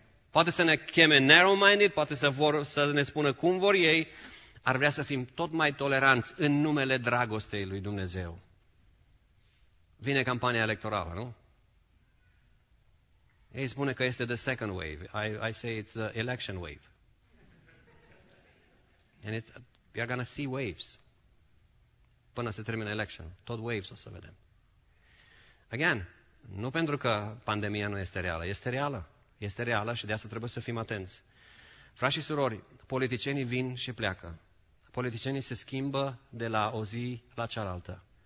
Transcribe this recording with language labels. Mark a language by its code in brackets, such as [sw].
[ro] Poate să ne cheme narrow-minded, poate să ne spună cum vor ei. Ar vrea să fim tot mai toleranți în numele dragostei lui Dumnezeu. Vine campania electorală, nu? Ei spune că este [en] the second wave. I say it's the election wave. And we are going to see waves. [ro] Până se termină election. Tot waves o să vedem. [en] Again, [ro] nu pentru că pandemia nu este reală. Este reală. Este reală și de asta trebuie să fim atenți. Frați și surori, politicienii vin și pleacă. politicienii se schimbă de la o zi la cealaltă.